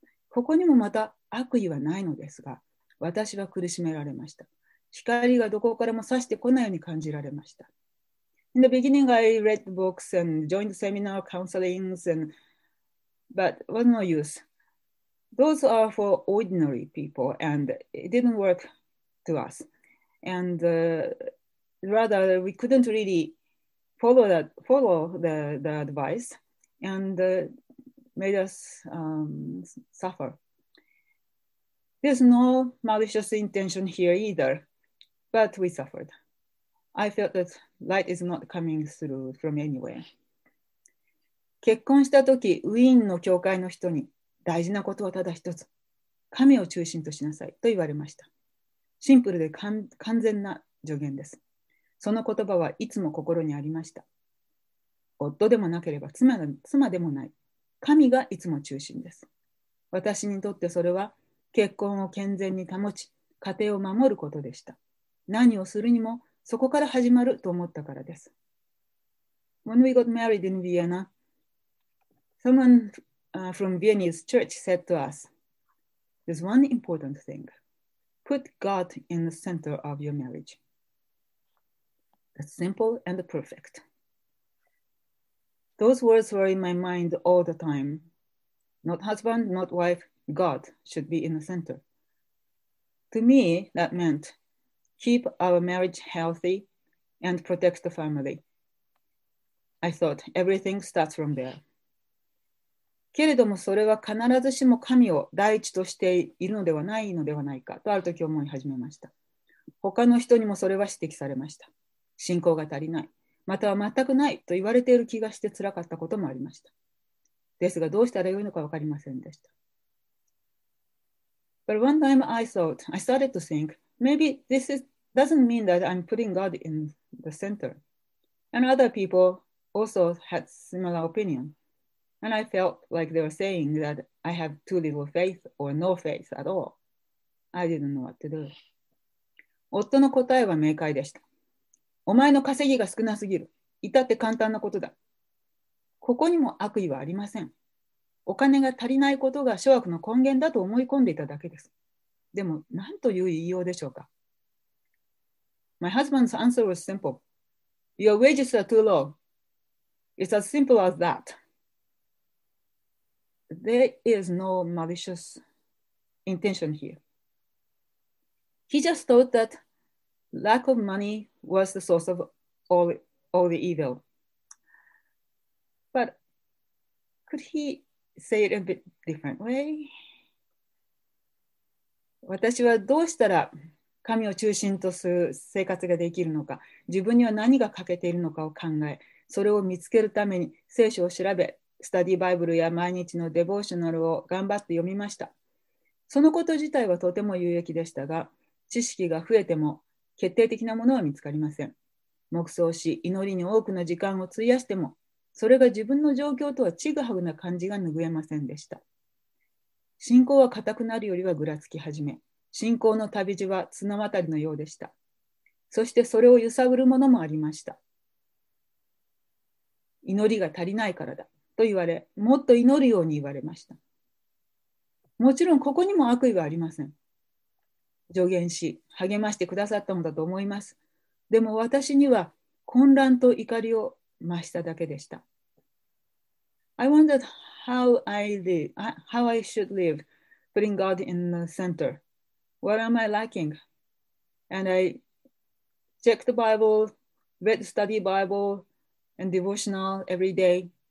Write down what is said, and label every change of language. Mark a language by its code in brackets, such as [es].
[ja] ここにもまた悪意はないのですが、私は苦しめられました。光がどこからも差してこないように感じられました。 [en] In the beginning, I read books and joined seminar counselings, and, but what no use? Those are for ordinary people, and it didn't work to us. And rather, we couldn't really follow the advice, and made us suffer. There's no malicious intention here either, but we suffered. I felt that light is not coming through from anywhere. [ja] 結婚したとき、ウィーンの教会の人に、大事なことはただ一つ、神を中心としなさいと言われました。シンプルで完全な助言です。その言葉はいつも心にありました。夫でもなければ妻でもない。神がいつも中心です。私にとってそれは、結婚を健全に保ち、家庭を守ることでした。何をするにも、そこから始まると思ったからです。 [en] When we got married in Vienna, someone from Viennese church said to us, There's one important thing. Put God in the center of your marriage. That's simple and perfect. Those words were in my mind all the time. Not husband, not wife, God should be in the center. To me, that meant keep our marriage healthy and protect the family. I thought everything starts from there. [ja] けれどもそれは必ずしも神を第一としているのではないのではないかとある時思い始めました。他の人にもそれは指摘されました。信仰が足りない、または全くないと言われている気がして辛かったこともありました。ですがどうしたらよいのかわかりませんでした。 [en] But one time I started to think, maybe this doesn't mean that I'm putting God in the center. And other people also had similar opinion. And I felt like they were saying that I have too little faith or no faith at all. I didn't know what to do. [ja] 夫の答えは明快でした。お前の稼ぎが少なすぎる。至って簡単なことだ。ここにも悪意はありません。お金が足りないことが諸悪の根源だと思い込んでいただけです。でも、何という言いようでしょうか。 [en] My husband's answer was simple. Your wages are too low. It's as simple as that. There is no malicious intention here. He just thought that lack of money was the source of all the evil. But could he say it a bit different way? [ja] 私はどうしたら神を中心とする生活ができるのか、自分には何が欠けているのかを考え、それを見つけるために聖書を調べ、スタディバイブルや毎日のデボーショナルを頑張って読みました。そのこと自体はとても有益でしたが、知識が増えても決定的なものは見つかりません。黙想し、祈りに多くの時間を費やしても、それが自分の状況とはちぐはぐな感じが拭えませんでした。信仰は固くなるよりはぐらつき始め、信仰の旅路は綱渡りのようでした。そしてそれを揺さぶるものもありました。祈りが足りないからだと言われ、もっと祈るように言われました。もちろんここにも悪意はありません。助言し励ましてくださったのだと思います。でも私には混乱と怒りを増しただけでした。 [en] I wondered how I should live, putting God in the center. What am I lacking? And I checked the Bible, read the study Bible, and devotional every day.